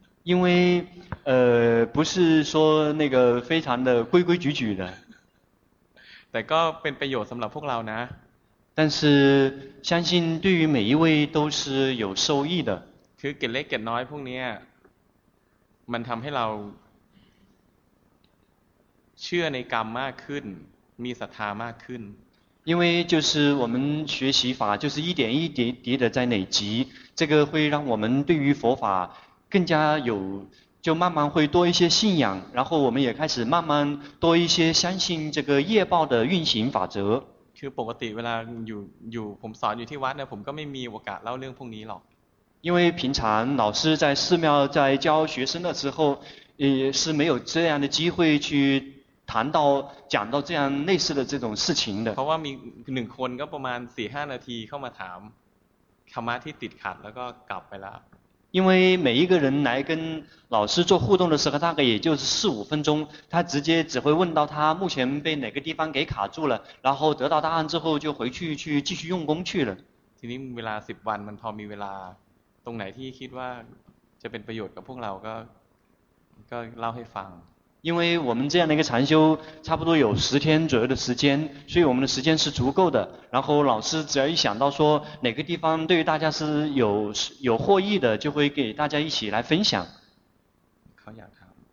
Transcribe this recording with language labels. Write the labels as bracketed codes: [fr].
[zh] 因为不是说那个非常的规规矩矩的 [th] แต่ก็เป็นประโยชน์สำหรับพวกเรานะ [zh] 但是相信对于每一位都是有受益的 [th] คือเกล็ดเล็กเกล็ดน้อยพวกนี้มันทำให้เราเชื่อในกรรมมากขึ้นมีศรัทธามากขึ้น [zh] 因为就是我们学习法就是一点一滴滴的在累积这个会让我们对于佛法更加有就慢慢会多一些信仰然后我们也开始慢慢多一些相信这个业报的运行法则 [th] คือปกติเวลาอยู่ผมสอนอยู่ที่วัดเนี่ยผมก็ไม่มีโอกาสเล่าเรื่องพวกนี้หรอก [zh] 因为平常老师在寺庙在教学生的时候也是没有这样的机会去谈到讲到这样类似的这种事情的 [th] เพราะว่ามีหนึ่งคนก็ประมาณ 4-5 นาทีเข้ามาถามธรรมะที่ติดขัดแล้วก็กลับไปแล้ว [zh] 因为每一个人来跟老师做互动的时候大概也就是4-5分钟他直接只会问到他目前被哪个地方给卡住了然后得到答案之后就回去去继续用功去了 [th] ทีนี้เวลา10 วันมันพอมีเวลาตรงไหนที่คิดว่าจะเป็นประโยชน์กับพวกเราก็เล่าให้ฟัง [zh] 因为我们这样的一个禅修差不多有10天左右的时间所以我们的时间是足够的然后老师只要一想到说哪个地方对于大家是有获益的就会给大家一起来分享考雅堂